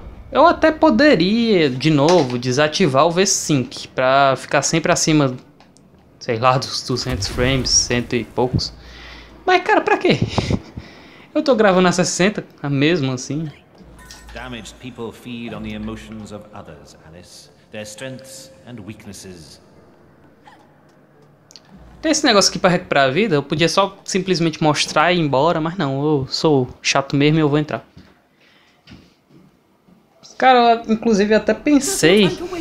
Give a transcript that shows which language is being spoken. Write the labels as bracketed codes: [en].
[pt] Eu até poderia, de novo, desativar o V-Sync pra ficar sempre acima, sei lá, dos 200 frames, cento e poucos. Mas, cara, pra quê? Eu tô gravando a 60, a mesma assim. [en] Damaged people feed on the emotions of others, Alice. Their strengths and weaknesses. [pt] Tem esse negócio aqui pra recuperar a vida? Eu podia só simplesmente mostrar e ir embora, mas não, eu sou chato mesmo e eu vou entrar. Cara, eu inclusive até pensei...